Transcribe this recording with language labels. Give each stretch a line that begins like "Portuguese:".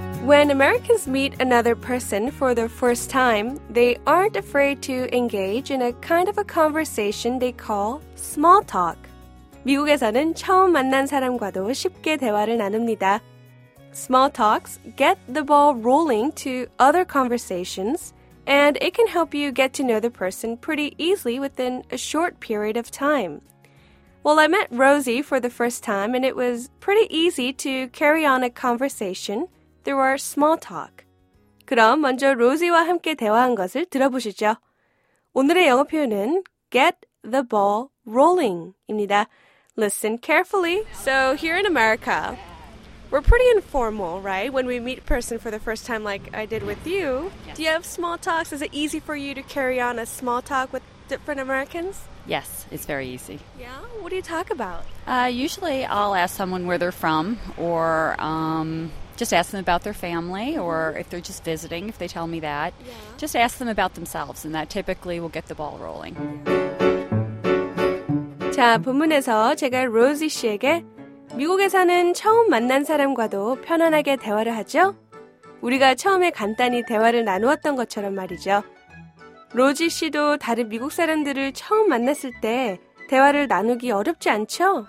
English: When Americans meet another person for the first time, they aren't afraid to engage in a kind of a conversation they call small talk.
Korean: 미국에서는 처음 만난 사람과도 쉽게 대화를 나눕니다.
English: Small talks get the ball rolling to other conversations, and it can help you get to know the person pretty easily within a short period of time. Well, I met Rosie for the first time, and it was pretty easy to carry on a conversation through our small talk.
Korean: 그럼 먼저 로지와 함께 대화한 것을 들어보시죠. 오늘의 영어 표현은
English: get the ball rolling
Korean: 입니다.
English: Listen carefully. So here in America, we're pretty informal, right? When we meet a person for the first time like I did with you. Yes. Do you have small talks? Is it easy for you to carry on a small talk with different Americans? Yes, it's very easy. Yeah? What do you talk about? Usually I'll ask someone where they're from or... Just ask them about their family or if they're just visiting, if they tell me that. Yeah. Just ask them about themselves and that typically will get the ball rolling.
Korean: 자, 본문에서 제가 로지 씨에게 미국에 사는 처음 만난 사람과도 편안하게 대화를 하죠? 우리가 처음에 간단히 대화를 나누었던 것처럼 말이죠. 로지 씨도 다른 미국 사람들을 처음 만났을 때 대화를 나누기 어렵지 않죠?